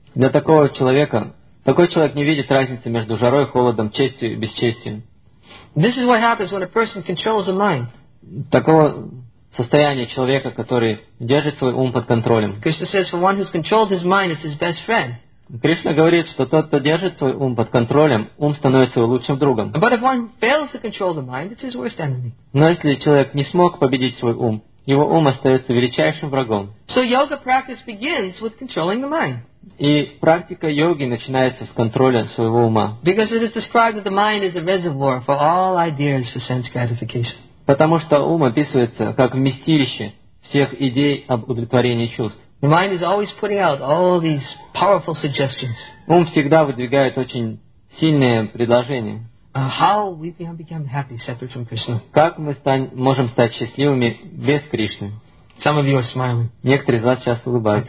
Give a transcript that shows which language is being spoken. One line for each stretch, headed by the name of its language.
Russian: Для такого человека, такой человек не видит разницы между жарой, холодом, честью и бесчестием.
English: This is what happens when a person controls the mind.
Russian: Такого состояния человека, который держит свой ум под контролем.
English: Krishna says, for one who's controlled his mind, it's his best friend.
Russian: Кришна говорит, что тот, кто держит свой ум под контролем, ум становится его лучшим другом.
English: But if one fails to control the mind, it's his worst enemy.
Russian: Но если человек не смог победить свой ум, его ум остается величайшим врагом.
English: So yoga practice begins with controlling the mind.
Russian: И практика йоги начинается с контроля своего ума.
English: Because it is described that the mind is a reservoir for all ideas for sense gratification.
Russian: Потому что ум описывается как вместилище всех идей об удовлетворении чувств.
English: The mind is always putting out all these powerful suggestions.
Russian: Ум всегда выдвигает очень сильные предложения.
English: How we can become happy separate from Krishna?
Russian: Как мы можем стать счастливыми без Кришны?
English: Some of you are smiling.
Russian: Некоторые из вас сейчас улыбаются.